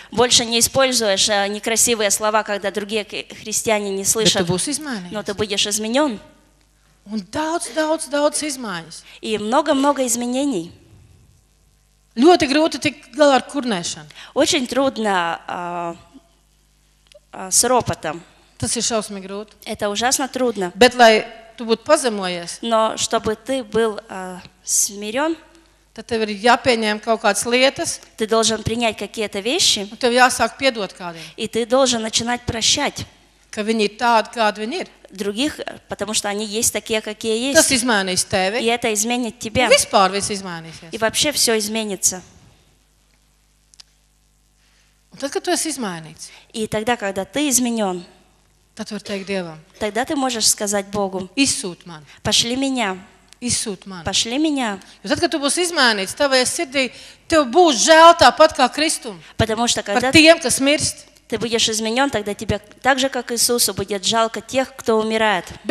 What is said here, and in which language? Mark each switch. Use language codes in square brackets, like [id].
[ru] Больше не используешь некрасивые слова, когда другие христиане не слышат. [lv] Bet tu būsi izmainīts. [ru] Но ты будешь изменён. [lv] Un daudz izmaiņas. [ru] И много изменений. [lv] Ļoti grūti tik galā ar kurnēšanu. [ru] Очень трудно с ропотом. [lv] Tas ir šausmīgi grūti. [ru] Это ужасно трудно. [lv] Bet lai tu būtu pazemojies. [ru] Но чтобы ты был смирён. [lv] Tad tev ir jāpieņem kaut kādas lietas. [ru] Ты должен принять какие-то вещи. [lv] Un tev jāsāk piedot kādiem. [ru] И ты должен начинать прощать. [lv] Ka viņi ir tādi, kādi viņi ir. [ru] других, потому что они есть такие, какие есть. [lv] Tas izmainīs tevi. [ru] И это изменит тебя. [lv] Vispār viss izmainīsies. [ru] И вообще все изменится. [lv] Un tad, kad tu esi izmainīts. [ru] И тогда, когда ты изменен. [lv] Tad tu vari teikt Dievam. [ru] Тогда ты можешь сказать Богу. [lv] Izsūt mani. [ru] Пошли меня. [lv] Izsūt mani. [ru] Пошли меня. [lv] Jo tad, kad tu būsi izmainīts, tavajā sirdī tev būs žēl tāpat kā Kristum. [ru] Потому что, когда... [lv] Par tiem, kas mirst. [ru] Ты будешь изменен, тогда тебе так же, как Иисусу, будет жалко тех, кто умирает.